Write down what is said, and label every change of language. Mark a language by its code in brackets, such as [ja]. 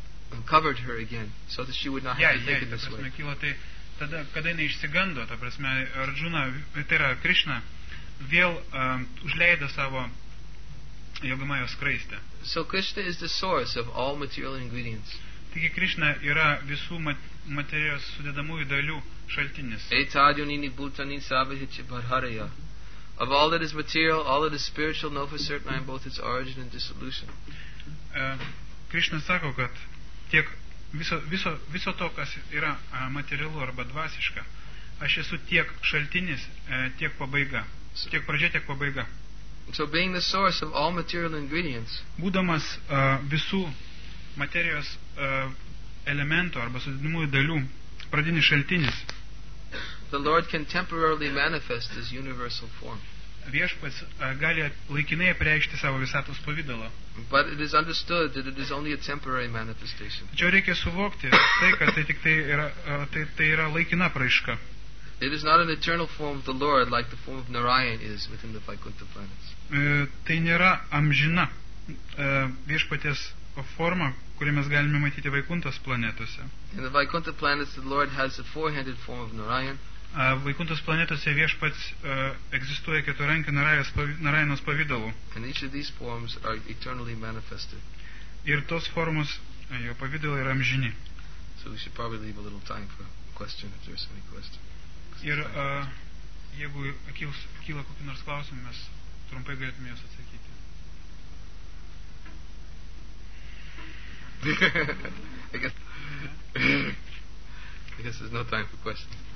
[en] Then he covered her again, so that she would not have to think in this way. [lt] Kyla tai, tada, kada jinai išsigando, ta prasme, Arjuna, tai yra Krishna, vėl užleido savo jogamajo skraistę. [en] So Krishna is the source of all material ingredients. [lt] Taigi Krishna yra visų materijos sudedamųjų dalių šaltinis. [sa] Etadyonini bhutani sabahichi bharharaya. [en] Of all that is material, all that is spiritual, know for certain I am both its origin and dissolution. [lt] Krishna sako, kad tiek viso to, kas yra materialu arba dvasiška, aš esu tiek šaltinis, tiek pabaiga. Tiek pradžia, tiek pabaiga. [en] So being the source of all material ingredients, [lt] būdamas visų materijos elementų arba sudėtinių dalių pradinis šaltinis, [en] the Lord can temporarily manifest his universal form. [lt] Viešpats gali laikinai apreikšti savo visatos pavidalą. [en] But it is understood that it is only a temporary manifestation. [lt] Tačiau reikia suvokti tai, kad tai tik tai yra laikina praiška. [en] It is not an eternal form of the Lord like the form of Narayan is within the Vaikuntha planets. [lt] Tai nėra amžina viešpaties forma, kurią mes galime matyti Vaikuntas planetose. [en] In the Vaikuntha planets the Lord has a four-headed form of Narayan. [lt] Vaikuntos planetose viešpats egzistuoja keturankio Narayanos pavidalu. [en] And each of these forms are eternally manifested. [lt] Ir tos formos, jo pavidalai yra amžini. [en] So we should probably leave a little time for question if there's any question. [lt] Ir jeigu kyla kokį nors klausimą, mes trumpai galėtume juos atsakyti. [en] I guess there's no time for questions.